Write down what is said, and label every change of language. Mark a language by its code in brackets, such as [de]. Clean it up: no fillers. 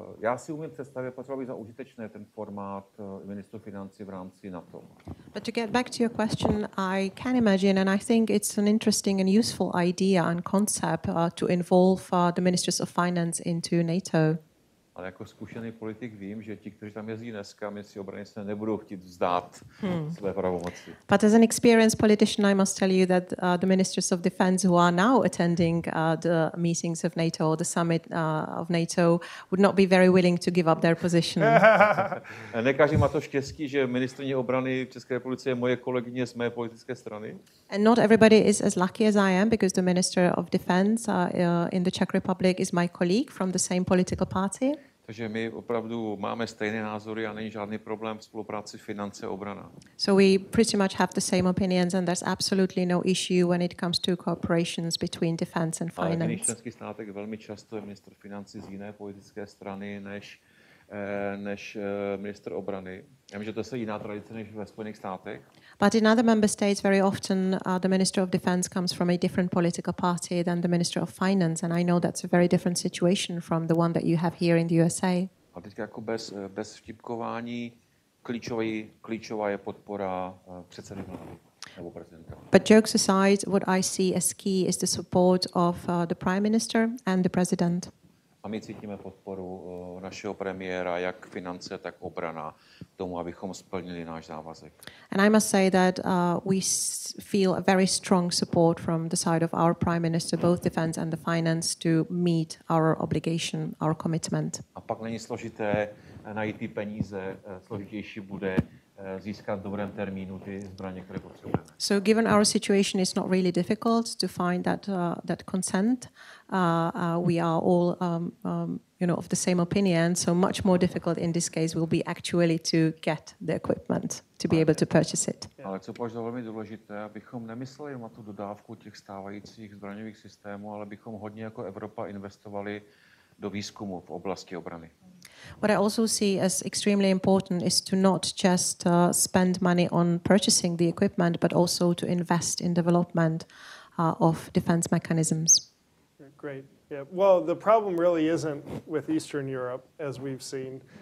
[cs] Já si umím představit, potřeboval bych za užitečné ten formát ministru financí v rámci NATO. [en] But to get back to your question, I can imagine, and I think it's an interesting and useful idea and concept to involve the ministers of finance into NATO. [cs] Ale jako zkušený politik vím, že ti, kteří tam jezdí dneska, ministři obrany se nebudou chtít vzdát své pravomoci. [en] But as an experienced politician, I must tell you that the ministers of defense who are now attending the meetings of NATO or the summit of NATO would not be very willing to give up their position. [cs] Ne každý má to štěstí, že ministryně obrany v České republice je moje kolegyně z mé politické strany. [en] And not everybody is as lucky as I am because the minister of defense in the Czech Republic is my colleague from the same political party. [cs] Takže my opravdu máme stejné názory a není žádný problém v spolupráci finance a obrana. [en] So we pretty much have the same opinions and there's absolutely no issue when it comes to cooperation between defense and finance. [cs] Ale v členských státech velmi často je ministr financí z jiné politické strany než ministr obrany. Já myslím, že to je jiná tradice než ve Spojených státech. [en] But in other member states, very often the minister of defense comes from a different political party than the minister of finance, and I know that's a very different situation from the one that you have here in the USA. [cs] A teď jako bez vtipkování, klíčová je podpora předsedy vlády nebo prezidenta. [en] But jokes aside, what I see as key is the support of the prime minister and the president. [cs] A my cítíme podporu našeho premiéra, jak finance, tak obrana. Tomu, abychom splnili náš závazek. [en] And I must say that we feel a very strong support from the side of our prime minister, both defense and the finance, to meet our obligation, our commitment. [cs] A pak není složité najít ty peníze, složitější bude získat v dobrém termínu ty zbraně, které potřebujeme. [en] So given our situation, it's not really difficult to find that consent. We are all of the same opinion, so much more difficult in this case will be actually to get the equipment to be able to purchase it. [cs] Ale co považuji za velmi důležité, abychom nemysleli na tu dodávku těch stávajících zbraňových systémů, ale bychom hodně jako Evropa investovali do výzkumu v oblasti obrany. [en] What I also see as extremely important is to not just spend money on purchasing the equipment, but also to invest in development of defense mechanisms. Great. Yeah. Well, the problem really isn't with Eastern Europe, as we've seen.